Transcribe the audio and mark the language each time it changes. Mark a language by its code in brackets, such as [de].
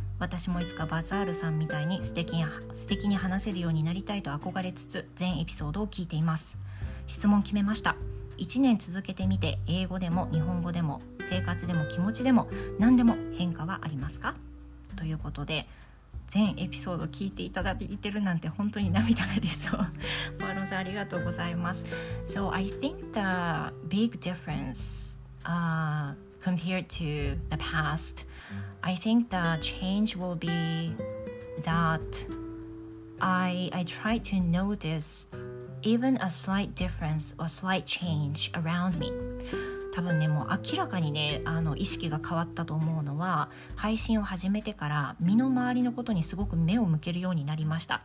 [ja] 私もいつかバザールさんみたいに素敵に話せるようになりたいと憧れつつ、全エピソードを聞いています。質問決めました。 1年続けてみて、英語でも日本語でも生活でも気持ちでも何でも変化はありますか、ということで、全エピソード聞いていただいてるなんて本当に涙が出そう。ポアロンさんありがとうございます。 [en] So I think the big difference compared to the past, I think the change will be that I try to notice even a slight difference or slight change around me. [ja] 多分ね、もう明らかにね意識が変わったと思うのは、配信を始めてから身の回りのことにすごく目を向けるようになりました。